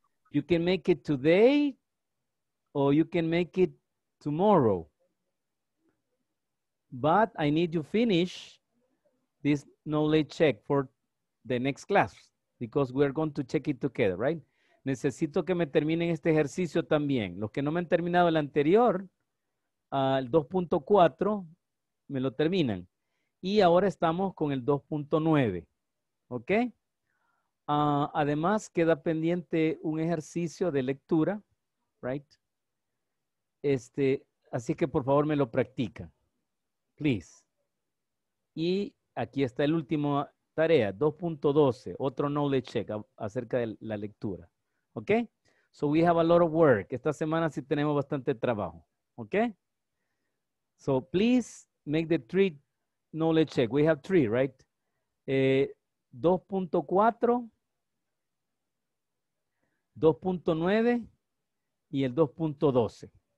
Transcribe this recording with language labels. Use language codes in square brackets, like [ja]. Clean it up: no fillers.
[en] You can make it today or you can make it tomorrow. But I need you finish this knowledge check for the next class, because we're going to check it together, right? [es] Necesito que me terminen este ejercicio también. Los que no me han terminado el anterior, el 2.4, me lo terminan. Y ahora estamos con el 2.9, ¿ok? Además, queda pendiente un ejercicio de lectura, right? Así que por favor me lo practica, please. Y aquí está el último tarea, 2.12, otro knowledge check acerca de la lectura. [en] Okay, so we have a lot of work. [es] Esta semana sí tenemos bastante trabajo. [en] Okay, so please make the three knowledge check. We have three, right? 2.4, 2.9, y el 2.12.